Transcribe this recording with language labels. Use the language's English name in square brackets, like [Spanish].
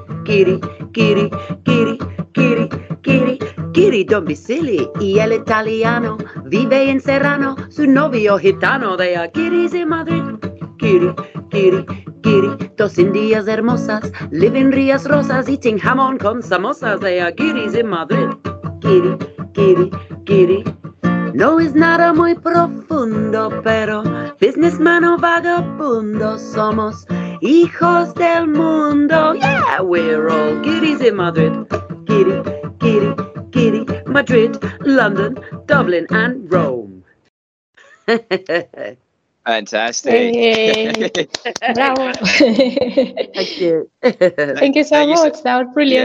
[English] Kitty, kitty, kitty, kitty, kitty, kitty, don't be silly. [Spanish] Y el italiano vive en Serrano, su novio gitano. [English] They are kitties in Madrid. Kitty, kitty, kitty, [Spanish] dos indias hermosas [English] live in Rías Rosas, eating [Spanish] jamón con samosas. [English] They are kitties in Madrid. Kitty, kitty, kitty. [Spanish] No es nada muy profundo, pero businessman o vagabundo somos hijos del mundo. [English] Yeah, we're all kitties in Madrid. Kitty, kitty, kitty. Madrid, London, Dublin and Rome. Fantastic. Hey. Bravo. Thank you. Thank you so much. That was brilliant.